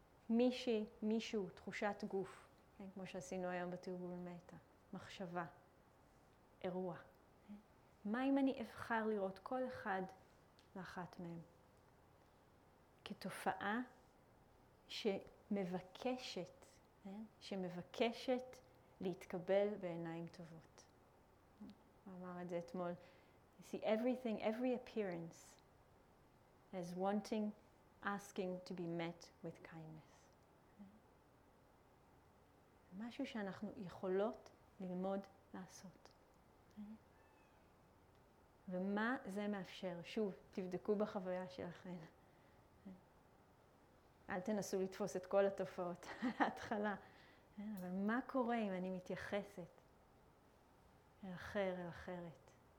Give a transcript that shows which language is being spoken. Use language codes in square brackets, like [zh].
[he] מישהי, מישהו, תחושת גוף, כן, כמו שעשינו היום בתרגול מטה, מחשבה, אירוע. מה אם אני אבחר לראות כל אחד ואחת מהם? כתופעה שמבקשת, כן, שמבקשת להתקבל בעיניים טובות. הוא אמר את זה אתמול. [en] You see, everything, every appearance is wanting, asking to be met with kindness. [he] משהו שאנחנו יכולות ללמוד לעשות. ומה זה מאפשר? שוב, תבדקו בחוויה שלכם. אל תנסו לתפוס את כל התופעות להתחלה. אבל מה קורה אם אני מתייחסת אל אחר, אל אחרת?